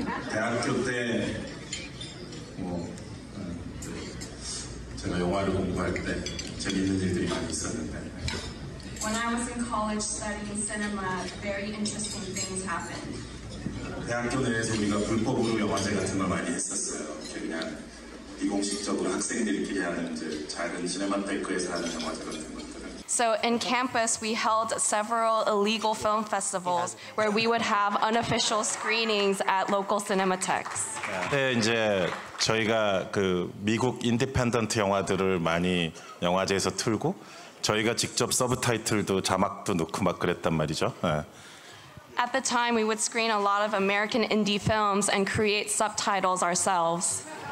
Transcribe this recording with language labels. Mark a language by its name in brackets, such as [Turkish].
[Korean] 대학교 때 제가 영화를 공부할 때 재밌는 일들이 많이 있었는데. [English] When I was in college studying cinema, very interesting things happened. [Korean] 대학교 내에서 우리가 불법으로 영화제 같은 걸 많이 했었어요. 그냥 비공식적으로 학생들끼리 하는 이제 작은 시네마 테크에서 하는 영화제 같은 것들. [English] So in campus, we held several illegal film festivals where we would have unofficial screenings at local cinematheques. [Korean] 네, 이제 저희가 그 미국 인디펜던트 영화들을 많이 영화제에서 틀고 저희가 직접 서브타이틀도 자막도 넣고 막 그랬단 말이죠. 네. [English] At the time, we would screen a lot of American indie films and create subtitles ourselves.